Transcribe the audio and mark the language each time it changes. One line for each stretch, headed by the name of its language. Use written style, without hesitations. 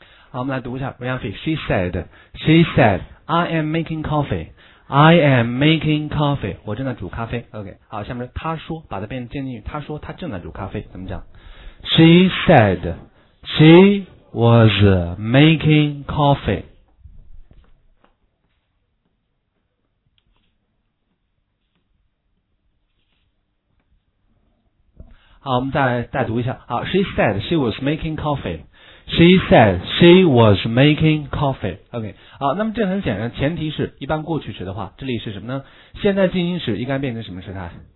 English: 好，我们来读一下 Ryanfee, she said, I am making coffee,
Chinese: 我正在煮咖啡。 OK, 好，下面她说，把它变成渐进语，她说她正在煮咖啡，怎么讲？
English: She said she was making coffee.
Chinese: 好，我们再读一下。
English: 好 ，She said she was making coffee. She said she was making coffee. OK.
Chinese: 好，那么这很显然，前提是一般过去时的话，这里是什么呢？现在进行时应该变成什么时态？